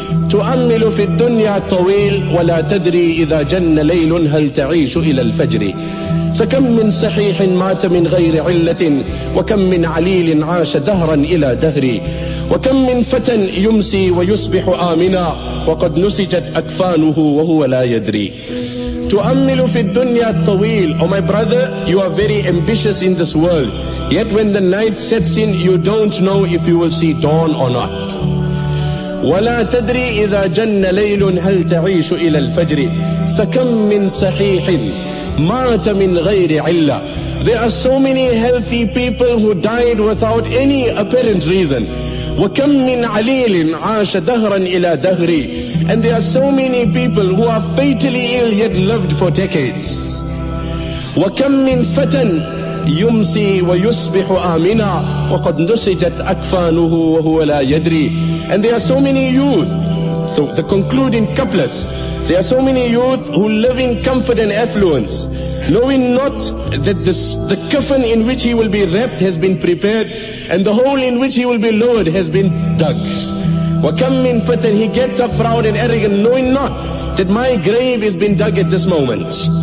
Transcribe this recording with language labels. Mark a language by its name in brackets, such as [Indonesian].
[Arabic] تؤمل في الدنيا طويل ولا تدري إذا جن ليل هل تعيش إلى الفجر. فكم من صحيح مات من غير علة، وكم من عليل عاش دهرا إلى دهري، وكم من فتى يمسي ويصبح آمنا وقد نسجت أكفانه وهو لا يدري. تؤمل في الدنيا الطويل. [English] Oh my brother, you are very ambitious in this world. Yet when the night sets in, you don't know if you will see dawn or not. [Arabic] ولا تدري إذا جن ليل هل تعيش إلى الفجر. فكم من صحيح مات من غير علة. [English] There are so many healthy people who died without any apparent reason. [Arabic] وكم من عليل عاش دهرا إلى دهري. [English] And there are so many people who are fatally ill yet lived for decades. [Arabic] وكم من فتى يمسي ويصبح آمنا وقد نسجت أكفانه وهو لا يدري. [English] And there are so many youth. So the concluding couplets. There are so many youth who live in comfort and affluence, knowing not that the coffin in which he will be wrapped has been prepared, and the hole in which he will be lowered has been dug. [Arabic] وَكَمْ مِنْ فَتَنْ. [English] He gets up proud and arrogant, knowing not that my grave has been dug at this moment.